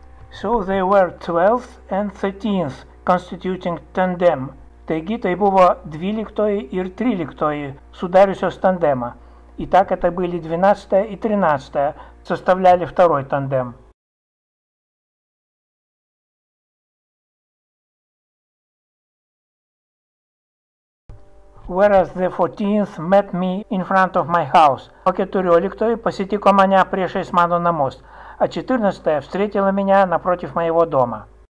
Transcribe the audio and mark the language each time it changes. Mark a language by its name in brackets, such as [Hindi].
[English] So they were 12th and 13th, constituting tandem. [Lithuanian] Taigi, tai buvo 12 ir 13 sudariusios tandemą. [Russian] И так это были 12 и 13 составляли второй тандем. [English] Whereas the 14th met me in front of my house. [Lithuanian] O 14 pasitiko mane priešais mano namus. [Russian] А 14-я встретила меня напротив моего дома.